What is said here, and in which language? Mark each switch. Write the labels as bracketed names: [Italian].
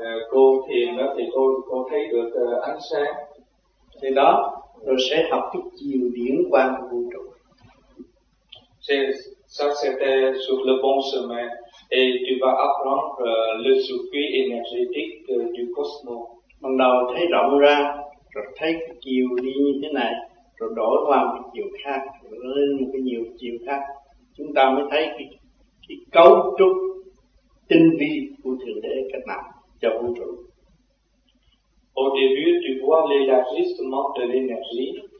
[Vietnamese] cô thiền đó thì cô thấy được ánh sáng. Thì đó, rồi sẽ học cái chiều điển quang của vũ trụ. [French] Ça c'était sur le bon chemin et tu vas apprendre le circuit énergétique du cosmos. [Vietnamese] Ban đầu thấy rộng ra, rồi thấy cái chiều đi như thế này, rồi đổi qua một chiều khác, rồi lên một cái nhiều chiều khác, chúng ta mới thấy cái cấu trúc tinh vi của thượng đế cách nào cho vũ trụ. [French] Au début, tu vois l'élargissement de l'énergie.